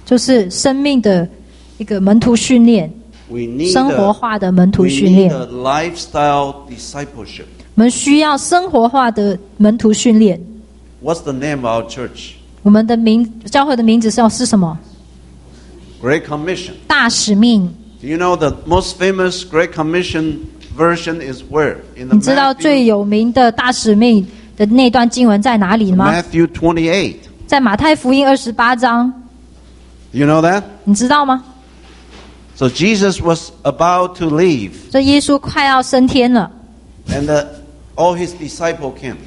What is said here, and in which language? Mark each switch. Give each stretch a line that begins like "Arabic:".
Chinese: 就是生命的一个门徒训练
English: We need
Chinese: 生活化的门徒训练
English: We need a lifestyle discipleship.
Chinese: 我们需要生活化的门徒训练
English: What's the name of our church?
Chinese: 我们的名教会的名字是什么
English: Great Commission.
Chinese: 大使命
English: Do you know the most famous Great Commission version is where? In the
Chinese: 你知道最有名的大使命的那段经文在哪里吗
English: Matthew 28.
Chinese: 在马太福音28章
English: Do you know that?
Chinese: 你知道吗
English: So Jesus was about to leave.
Chinese: 这耶稣快要升天了
English: And All his disciples came.